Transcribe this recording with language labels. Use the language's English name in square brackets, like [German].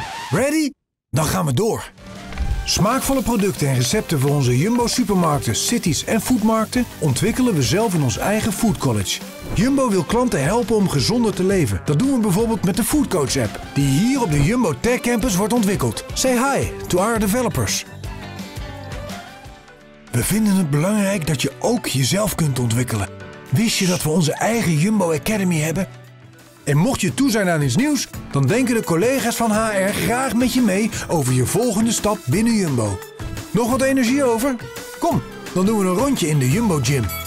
[English] Ready? [Dutch] Dan gaan we door. Smaakvolle producten en recepten voor onze Jumbo supermarkten, cities en foodmarkten ontwikkelen we zelf in ons eigen Food College. Jumbo wil klanten helpen om gezonder te leven. Dat doen we bijvoorbeeld met de Food Coach app, die hier op de Jumbo Tech Campus wordt ontwikkeld. [English] Say hi to our developers. [Dutch] We vinden het belangrijk dat je ook jezelf kunt ontwikkelen. Wist je dat we onze eigen Jumbo Academy hebben? En mocht je toe zijn aan iets nieuws, dan denken de collega's van HR graag met je mee over je volgende stap binnen Jumbo. Nog wat energie over? Kom, dan doen we een rondje in de Jumbo Gym.